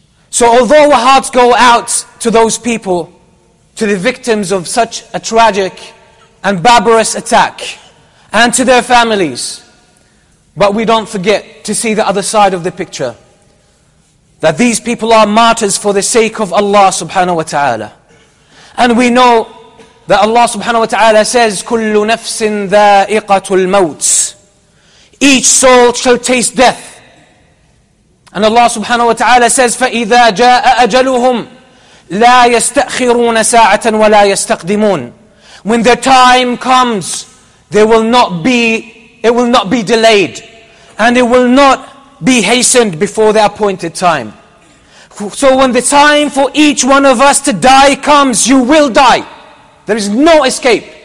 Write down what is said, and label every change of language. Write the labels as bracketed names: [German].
[English] So although our hearts go out to those people, to the victims of such a tragic and barbarous attack, and to their families, but we don't forget to see the other side of the picture. That these people are martyrs for the sake of Allah subhanahu wa ta'ala. And we know that Allah subhanahu wa ta'ala says, [Arabic] كُلُّ نَفْسٍ ذَائِقَةُ الْمَوْتِ. [English] Each soul shall taste death. And Allah subhanahu wa ta'ala says, [Arabic] فَإِذَا جَاءَ أَجَلُهُمْ لَا يَسْتَأْخِرُونَ سَاعَةً وَلَا يَسْتَقْدِمُونَ. [English] When their time comes, it will not be delayed, and it will not be hastened before the appointed time. So when the time for each one of us to die comes, you will die. There is no escape.